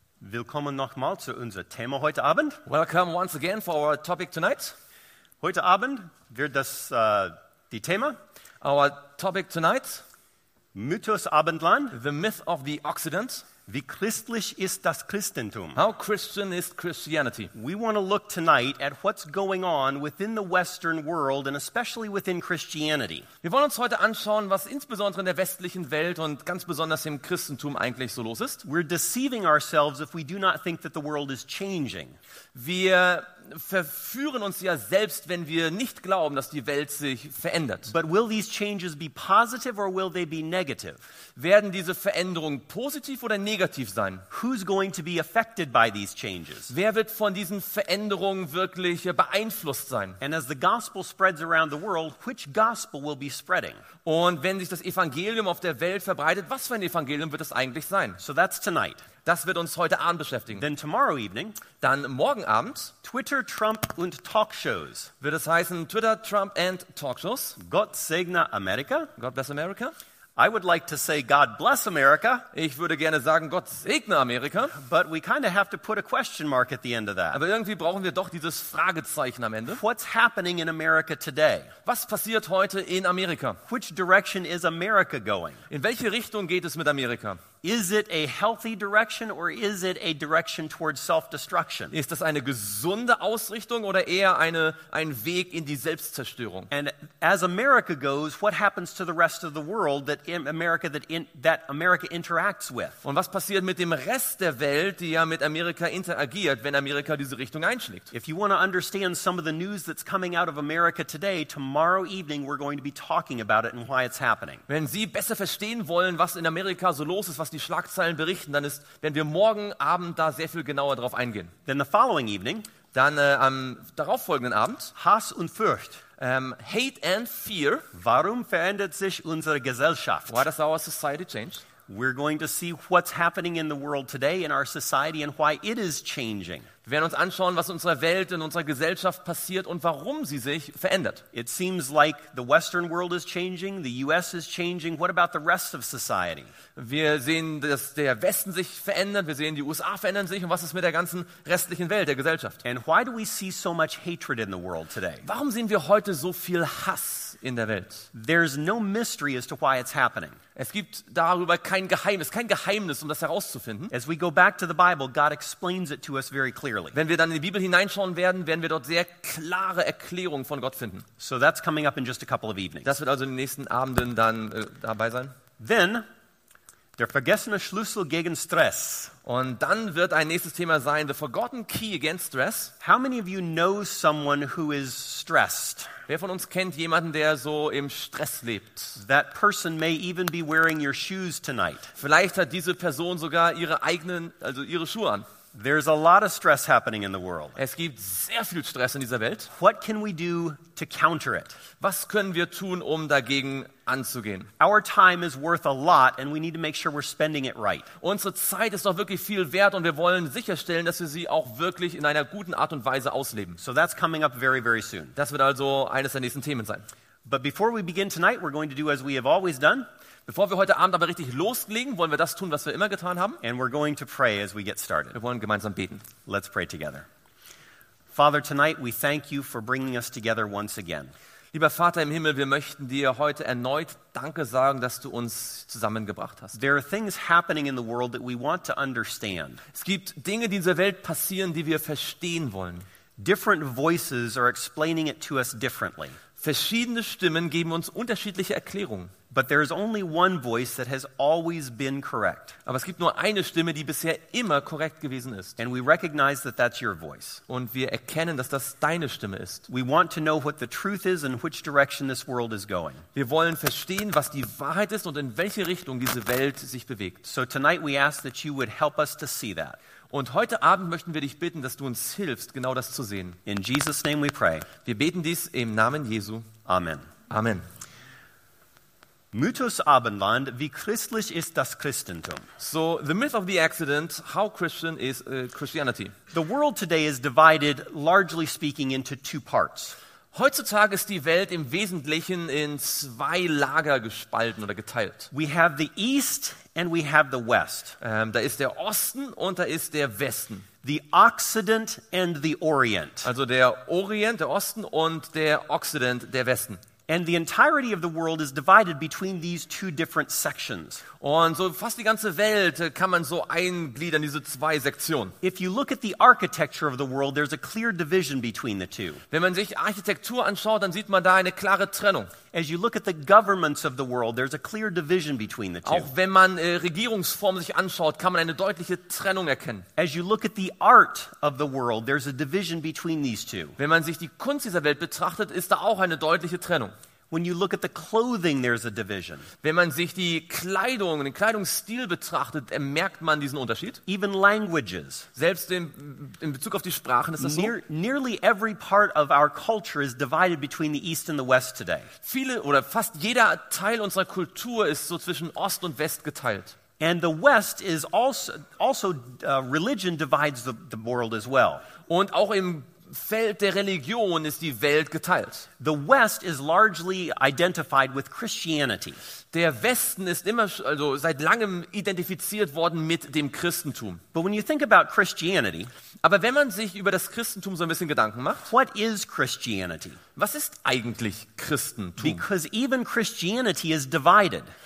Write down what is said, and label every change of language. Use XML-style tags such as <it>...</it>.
<de>willkommen nochmal zu unserem Thema heute Abend.</de> <en>Welcome once again for our topic tonight.</en> <de>Heute Abend wird das die Thema.</de> <en>Our topic tonight.</en> <de>Mythos Abendland.</de> <en>The myth of the Occident.</en> <de>Wie christlich ist das Christentum?</de> <en>How Christian is Christianity? We want to look tonight at what's going on within the Western world and especially within Christianity.</en> <de>Wir wollen uns heute anschauen, was insbesondere in der westlichen Welt und ganz besonders im Christentum eigentlich so los ist.</de> <en>We're deceiving ourselves if we do not think that the world is changing.</en> <de>Wir verführen uns ja selbst, wenn wir nicht glauben, dass die Welt sich verändert.</de> <en>But will these changes be positive or will they be negative?</en> <de>Werden diese Veränderungen positiv oder negativ sein?</de> <en>Who's going to be affected by these changes?</en> <de>Wer wird von diesen Veränderungen wirklich beeinflusst sein?</de> <en>And as the gospel spreads around the world, which gospel will be spreading?</en> <de>Und wenn sich das Evangelium auf der Welt verbreitet, was für ein Evangelium wird es eigentlich sein?</de> <en>So that's tonight.</en> <de>Das wird uns heute Abend beschäftigen.</de> <en>Then tomorrow evening,</en> <de>dann morgen Abend, Twitter, Trump und Talkshows. Wird es heißen Twitter, Trump and Talkshows. Gott segne Amerika.</de> <en>God bless America. I would like to say God bless America.</en> <de>Ich würde gerne sagen Gott segne Amerika.</de> <en>But we kind of have to put a question mark at the end of that.</en> <de>Aber irgendwie brauchen wir doch dieses Fragezeichen am Ende.</de> <en>What's happening in America today?</en> <de>Was passiert heute in Amerika?</de> <en>Which direction is America going?</en> <de>In welche Richtung geht es mit Amerika?</de> <en>Is it a healthy direction or is it a direction towards self-destruction?</en> <de>Ist das eine gesunde Ausrichtung oder eher ein Weg in die Selbstzerstörung?</de> <en>And as America goes, what happens to the rest of the world that America interacts with?</en> <de>Und was passiert mit dem Rest der Welt, die ja mit Amerika interagiert, wenn Amerika diese Richtung einschlägt?</de> <en>If you want to understand some of the news that's coming out of America today, tomorrow evening we're going to be talking about it and why it's happening.</en> <de>Wenn Sie besser verstehen wollen, was in Amerika so los ist, was die Schlagzeilen berichten, dann ist, wenn wir morgen Abend da sehr viel genauer drauf eingehen.</de> <en>Then the following evening,</en> <de>dann am darauffolgenden Abend, Hass und Furcht,</de> <en>Hate and Fear,</en> <de>warum verändert sich unsere Gesellschaft?</de> <en>Why does our society change? We're going to see what's happening in the world today in our society and why it is changing.</en> <de>Wir werden uns anschauen, was in unserer Welt, in unserer Gesellschaft passiert und warum sie sich verändert.</de> <en>It seems like the Western world is changing, the US is changing. What about the rest of society?</en> <de>Wir sehen, dass der Westen sich verändert, wir sehen, die USA verändern sich und was ist mit der ganzen restlichen Welt, der Gesellschaft?</de> <en>And why do we see so much hatred in the world today?</en> <de>Warum sehen wir heute so viel Hass in der Welt?</de> <en>There's no mystery as to why it's happening.</en> <de>Es gibt darüber kein Geheimnis, um das herauszufinden.</de> <en>As we go back to the Bible, God explains it to us very clearly.</en> <de>Wenn wir dann in die Bibel hineinschauen werden, werden wir dort sehr klare Erklärungen von Gott finden.</de> <en>So that's coming up in just a couple of evenings.</en> <de>Das wird also in den nächsten Abenden dann dabei sein. Then der vergessene Schlüssel gegen Stress. Und dann wird ein nächstes Thema sein,</de> <en>the forgotten key against stress. How many of you know someone who is stressed?</en> <de>Wer von uns kennt jemanden, der so im Stress lebt?</de> <en>That person may even be wearing your shoes tonight.</en> <de>Vielleicht hat diese Person sogar ihre Schuhe an.</de> <en>There's a lot of stress happening in the world.</en> <de>Es gibt sehr viel Stress in dieser Welt.</de> <en>What can we do to counter it?</en> <de>Was können wir tun, um dagegen anzugehen?</de> <en>Our time is worth a lot and we need to make sure we're spending it right.</en> <de>Unsere Zeit ist doch wirklich viel wert und wir wollen sicherstellen, dass wir sie auch wirklich in einer guten Art und Weise ausleben.</de> <en>So that's coming up very, very soon.</en> <de>Das wird also eines der nächsten Themen sein.</de> <en>But before we begin tonight, we're going to do as we have always done.</en> <de>Bevor wir heute Abend aber richtig loslegen, wollen wir das tun, was wir immer getan haben.</de> <en>And we're going to pray as we get started.</en> <de>Wir wollen gemeinsam beten.</de> <en>Let's pray together. Father, tonight we thank you for bringing us together once again.</en> <de>Lieber Vater im Himmel, wir möchten dir heute erneut Danke sagen, dass du uns zusammengebracht hast.</de> <en>There are things happening in the world that we want to understand.</en> <de>Es gibt Dinge, die in dieser Welt passieren, die wir verstehen wollen.</de> <en>Different voices are explaining it to us differently.</en> <de>Verschiedene Stimmen geben uns unterschiedliche Erklärungen.</de> <en>But there is only one voice that has always been correct.</en> <de>Aber es gibt nur eine Stimme, die bisher immer korrekt gewesen ist.</de> <en>And we recognize that that's your voice.</en> <de>Und wir erkennen, dass das deine Stimme ist.</de> <en>We want to know what the truth is and which direction this world is going.</en> <de>Wir wollen verstehen, was die Wahrheit ist und in welche Richtung diese Welt sich bewegt.</de> <en>So tonight we ask that you would help us to see that.</en> <de>Und heute Abend möchten wir dich bitten, dass du uns hilfst, genau das zu sehen.</de> <en>In Jesus' name we pray.</en> <de>Wir beten dies im Namen Jesu.</de> <en>Amen.</en> <de>Amen. Mythos Abendland, wie christlich ist das Christentum?</de> <en>So, the myth of the Occident, how Christian is Christianity? The world today is divided, largely speaking, into two parts.</en> <de>Heutzutage ist die Welt im Wesentlichen in zwei Lager gespalten oder geteilt.</de> <en>We have the East and we have the West.</en> <de>Da ist der Osten und da ist der Westen.</de> <en>The Occident and the Orient.</en> <de>Also der Orient, der Osten und der Occident, der Westen.</de> <en>And the entirety of the world is divided between these two different sections.</en> <de>Und so fast die ganze Welt kann man so eingliedern, diese zwei Sektionen.</de> <en>If you look at the architecture of the world, there's a clear division between the two.</en> <de>Wenn man sich Architektur anschaut, dann sieht man da eine klare Trennung.</de> <en>As you look at the governments of the world, there's a clear division between the two.</en> <de>Auch wenn man Regierungsformen sich anschaut, kann man eine deutliche Trennung erkennen.</de> <en>As you look at the art of the world, there's a division between these two.</en> <de>Wenn man sich die Kunst dieser Welt betrachtet, ist da auch eine deutliche Trennung.</de> <en>When you look at the clothing, there's a division.</en> <de>Wenn man sich die Kleidung, den Kleidungsstil betrachtet, merkt man diesen Unterschied.</de> <en>Even languages.</en> <de>Selbst in Bezug auf die Sprachen ist das so.</de> <en>Nearly every part of our culture is divided between the East and the West today.</en> <de>Viele oder fast jeder Teil unserer Kultur ist so zwischen Ost und West geteilt.</de> <en>And the West is also religion divides the world as well.</en> <de>Und auch im Feld der Religion ist die Welt geteilt.</de> <en>The West is largely identified with Christianity.</en> <de>Der Westen ist immer, also seit langem identifiziert worden mit dem Christentum.</de> <en>But when you think about Christianity,</en> <de>aber wenn man sich über das Christentum so ein bisschen Gedanken macht,</de> <en>what is Christianity?</en> <de>Was ist eigentlich Christentum?</de> <en>Because even Christianity is divided.</en>